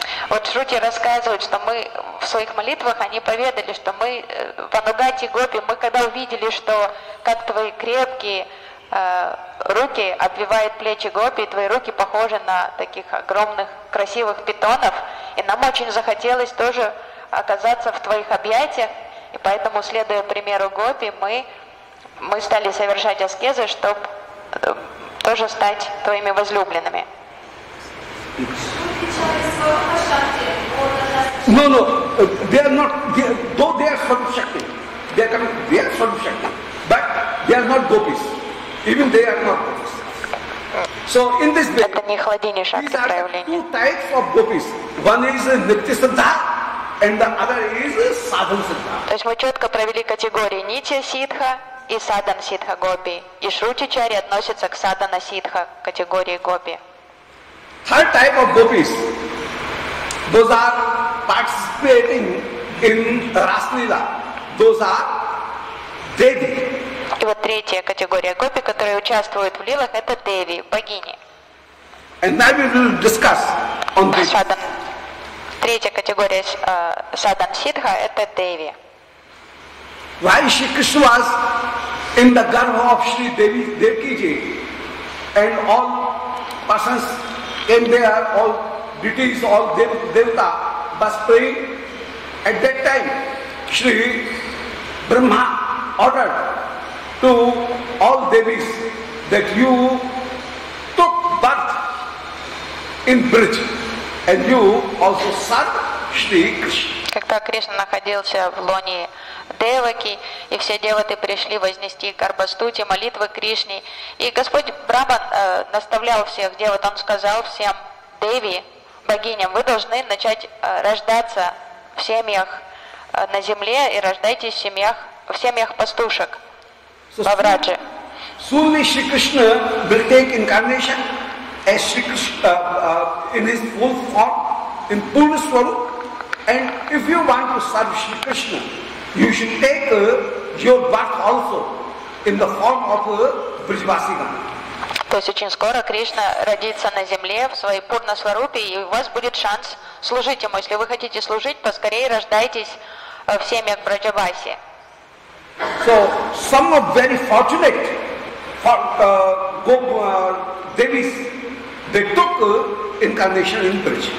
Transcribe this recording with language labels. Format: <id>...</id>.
<ru>Вот Шрути рассказывают, что мы в своих молитвах, они поведали, что мы Панугати Гопи, мы когда увидели, что как твои крепкие руки обвивают плечи гопи, и твои руки похожи на таких огромных красивых питонов, и нам очень захотелось тоже оказаться в твоих объятиях, и поэтому, следуя примеру гопи, мы стали совершать аскезы, чтобы тоже стать твоими возлюбленными.</ru> <en>No, they are not, though they are Swarupshakti, they are Swarupshakti, but they are not gopis, even they are not gopis. So in this way, these are two types of gopis, one is Nitya Siddha, and the other is Sadhan Siddha.</en> <ru>То есть мы четко провели категории Нитья Сиддха и Садхан Сиддха Гопи, и Шрути Чари относится к Садхана Сиддха категории Гопи.</ru> <en>Third type of gopis, those are participating in Rasleela, those are Devi.</en> <ru>И вот третья категория гопи, которые участвуют в лилах, это Деви, богини.</ru> <en>And now we will discuss on this.</en> <ru>Третья категория Садхан Сиддха это Деви.</ru> <en>Why Shri Krishna was in the garbha of Shri Devi Devaki ji, and all persons came there, all deities, all devata was praying. At that time, Shri Brahma ordered to all devis that you took birth in Braj, and you also serve Shri Krishna.</en> <ru>Когда Кришна находился в лоне Деваки, и все деваты пришли вознести Гарбастути, молитвы Кришне, и Господь Брахман наставлял всех деват, он сказал всем Деви, богиням, вы должны начать рождаться в семьях на земле и рождайтесь в семьях пастушек, во Враджи.</ru> <en>Soon Shri Krishna will take incarnation as Shri Krishna in his full form, in Purna Swarup. And if you want to serve Shri Krishna, you should take your birth also in the form of a Vrijvasika.</en> <ru>То есть очень скоро Кришна родится на земле в своей Пурна Сварупе, и у вас будет шанс служить ему. Если вы хотите служить, поскорее рождайтесь в семьях Враджаваси.</ru> <en>So some are very fortunate for Devis, they took incarnation in Braj.</en>